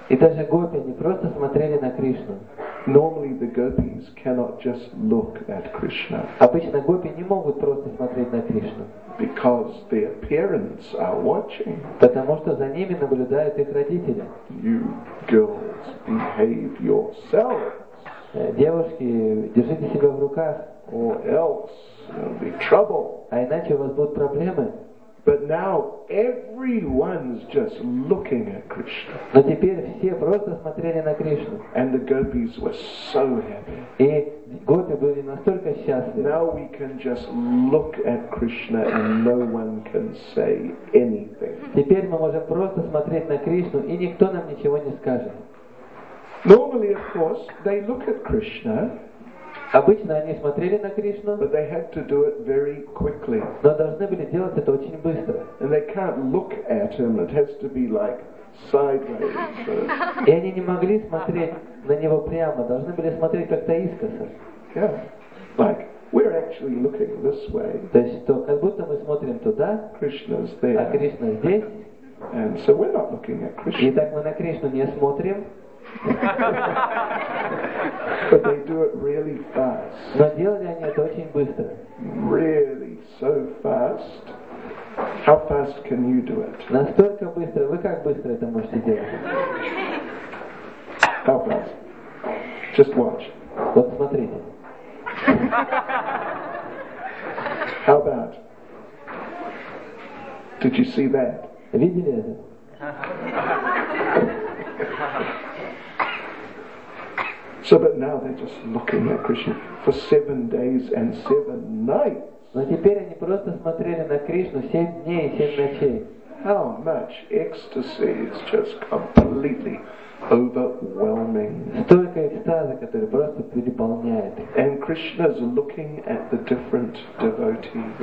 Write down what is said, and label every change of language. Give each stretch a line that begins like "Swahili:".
Russian: И даже гопи не просто смотрели на Кришну.
English: Normally the gopis cannot just look at Krishna.
Russian: Обычно гопи не могут просто смотреть на Кришну.
English: Because their parents are watching.
Russian: Потому что за ними наблюдают их родители.
English: You girls, behave yourselves.
Russian: Девушки, держите себя в руках.
English: Or else there'll be trouble.
Russian: А иначе у вас будут проблемы.
English: But now everyone's just looking at Krishna.
Russian: Но теперь все просто смотрели на Кришну.
English: And the gopis were so happy.
Russian: И гопи были настолько счастливы.
English: Now we can just look at Krishna and no one can say anything.
Russian: Теперь мы можем просто смотреть на Кришну и никто нам ничего не скажет.
English: Normally, of course, they look at Krishna.
Russian: Обычно они смотрели на Кришну,
English: but they had to do it very quickly.
Russian: Но должны были делать это очень быстро.
English: And they can't look at him. It has to be like sideways.
Russian: И они не могли смотреть на него прямо. Должны были смотреть как-то искоса.
English: Yeah. Like we're actually looking this way.
Russian: То есть что, как будто мы смотрим туда.
English: Krishna's there.
Russian: А Кришна здесь.
English: And so we're not looking at Krishna.
Russian: Итак, мы на Кришну не смотрим.
English: But they do it really fast.
Russian: Но делали они это очень быстро.
English: Really, so fast. How fast can you do it?
Russian: Настолько быстро. Вы как быстро это можете делать?
English: How fast? Just watch.
Russian: Вот смотрите.
English: How about? Did you see that?
Russian: Видели это?
English: So, but now they're just looking at Krishna for 7 days and 7 nights.
Russian: Но теперь они просто смотрели на Кришну 7 дней и 7 ночей.
English: How much ecstasy is just completely overwhelming.
Russian: Столько экстаза, который просто переполняет.
English: And Krishna's looking at the different devotees.